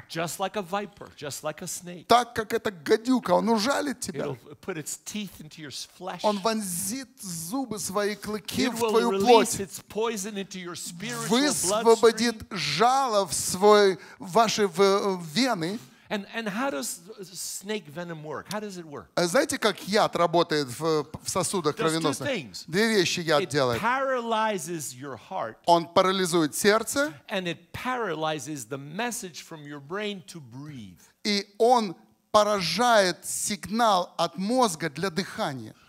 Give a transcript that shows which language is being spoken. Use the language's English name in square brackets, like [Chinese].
[English] Just like a viper, just like a snake. [Russian] Так, как эта гадюка, он ужалит тебя. [English] It'll put its teeth into your flesh. [Russian] Он вонзит зубы свои, клыки [English] It [Russian] в твою плоть. [English] Release its poison into your spiritual bloodstream. [Russian] Высвободит жало в свой, ваши в вены. [English] And how does snake venom work? How does it work? [Russian] Знаете, как яд работает в сосудах кровеносных? Две вещи яд делает. [English] It paralyzes your heart. [Russian] Он парализует сердце. [English] And it paralyzes the message from your brain to breathe. [Russian] И он поражает сигнал от мозга для дыхания.